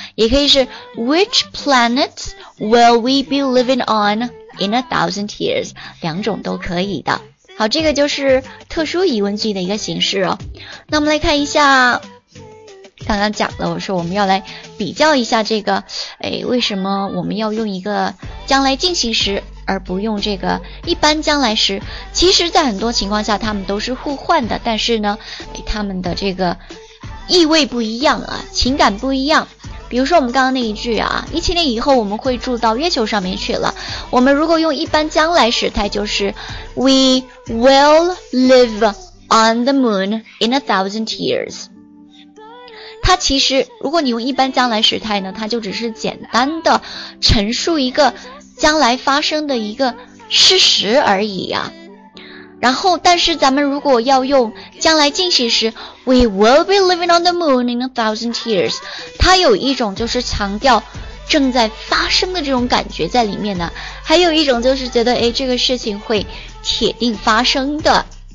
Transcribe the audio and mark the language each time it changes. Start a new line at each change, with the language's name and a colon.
Chinese: 也可以是
English: which planet will we be living on in 1000 years，
Chinese: 两种都可以的。好，这个就是特殊疑问句的一个形式哦。那我们来看一下，刚刚讲了，我说我们要来比较一下这个，为什么我们要用一个将来进行时而不用这个一般将来时？其实在很多情况下他们都是互换的，但是呢，他们的这个意味不一样啊，情感不一样。比如说我们刚刚那一句啊，1000年以后我们会住到月球上面去了。我们如果用一般将来时态，就是
English: We will live on the moon in 1000 years。
Chinese: 它其实，如果你用一般将来时态呢，它就只是简单的陈述一个将来发生的一个事实而已呀。然后，但是咱们如果要用将来进行时 ，
English: We will be living on the moon in 1000 years，
Chinese: 它有一种就是强调正在发生的这种感觉在里面呢，还有一种就是觉得哎，这个事情会铁定发生的。